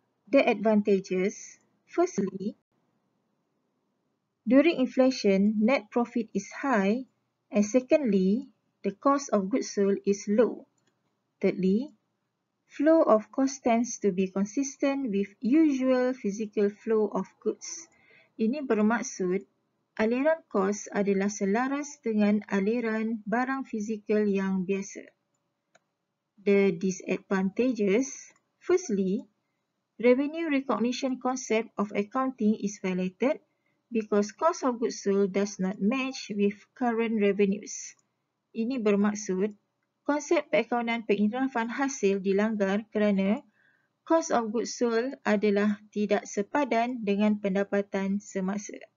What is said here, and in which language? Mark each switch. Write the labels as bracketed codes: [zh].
[en] The advantages: firstly, during inflation, net profit is high, and secondly, the cost of goods sold is low. Thirdly, flow of cost tends to be consistent with usual physical flow of goods. [ms] Ini bermaksud aliran kos adalah selaras dengan aliran barang fizikal yang biasa. [en] The disadvantages: firstly, revenue recognition concept of accounting is violated because cost of goods sold does not match with current revenues. [ms] Ini bermaksud konsep perakaunan penginrafan hasil dilanggar kerana cost of goods sold adalah tidak sepadan dengan pendapatan semasa.